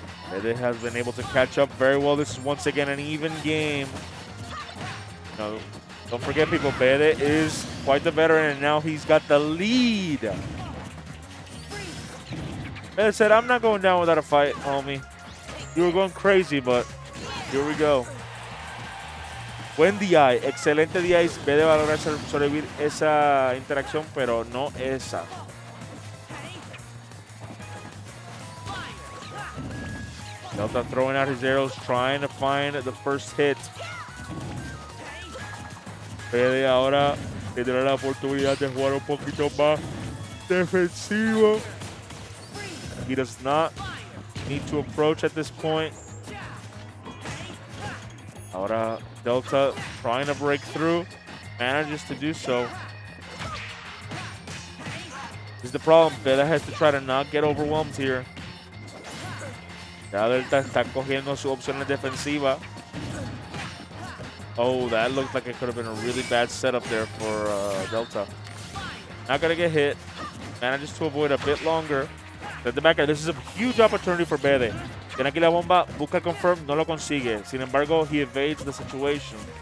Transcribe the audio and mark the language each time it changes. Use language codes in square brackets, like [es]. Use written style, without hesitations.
[en] BeDe has been able to catch up very well. This is once again an even game. No. Don't forget, people, BeDe is quite the veteran, and now he's got the lead. Like I said, I'm not going down without a fight, homie. You were going crazy, but here we go. [es] Buen día. Excelente día. BeDe valora sobrevivir esa interacción, pero no esa. [en] Delta throwing out his arrows, trying to find the first hit. [es] BeDe ahora tendrá la oportunidad de jugar un poquito más defensivo. [en] He does not need to approach at this point. Ahora Delta trying to break through, manages to do so. This is the problem. BeDe has to try to not get overwhelmed here. [es] Ya Delta está cogiendo su opción en defensiva. [en] Oh, that looked like it could have been a really bad setup there for Delta. Not gonna get hit. Manages to avoid a bit longer. At the back, this is a huge opportunity for BeDe. [es] Tiene aquí la bomba, busca confirm, no lo consigue. Sin embargo, [en] he evades the situation.